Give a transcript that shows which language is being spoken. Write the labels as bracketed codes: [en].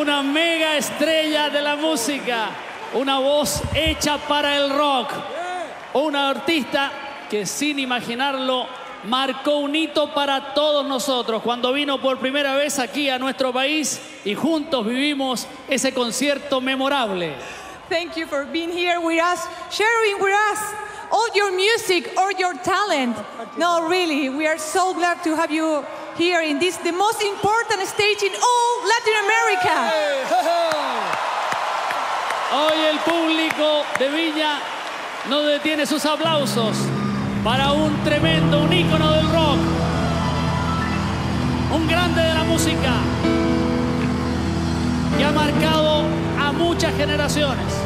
[es] Una mega estrella de la música, una voz hecha para el rock. Una artista que sin imaginarlo marcó un hito para todos nosotros cuando vino por primera vez aquí a nuestro país y juntos vivimos ese concierto memorable. [en] Thank you for being here with us, sharing with us all your music, all your talent. No, really, we are so glad to have you here in this, the most important stage in all Latin America. [es] Hoy el público de Viña no detiene sus aplausos para un tremendo, un ícono del rock, un grande de la música, que ha marcado a muchas generaciones.